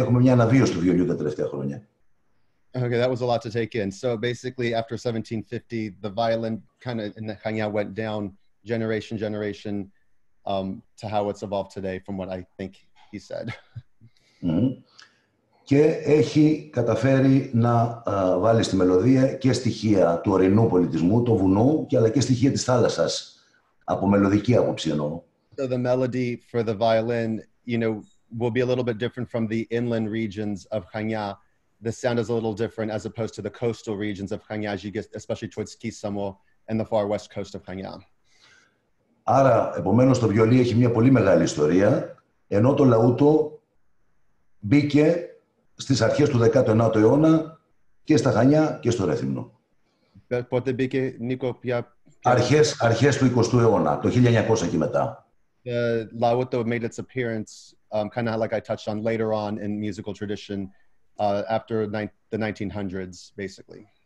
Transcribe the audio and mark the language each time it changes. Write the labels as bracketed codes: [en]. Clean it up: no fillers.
[el] Έχουμε μια αναβίωση του βιολιού τα τελευταία χρόνια. [en] Okay, that was a lot to take in. So basically, after 1750, the violin kind of in the Chania went down generation to how it's evolved today, from what I think he said. [el] Και έχει καταφέρει να βάλει στη μελωδία και στοιχεία του ορεινού πολιτισμού, του βουνού, και αλλά και στοιχεία της θάλασσας, από μελωδική άποψη εννοώ. [en] So the melody for the violin, you know, will be a little bit different from the inland regions of Chania. The sound is a little different as opposed to the coastal regions of Chania, especially towards Kisamo and the far west coast of Chania. [el] Άρα, επομένως, το βιολί έχει μια πολύ μεγάλη ιστορία, ενώ το λαούτο μπήκε στις αρχές του 19ου αιώνα και στα Χανιά και στο Ρέθυμνο. Πότε μπήκε, Νίκο, πια... Αρχές του 20ου αιώνα, το 1900 και μετά. [en] The lauto made its appearance, kind of like I touched on later on in musical tradition, after the 1900s, basically.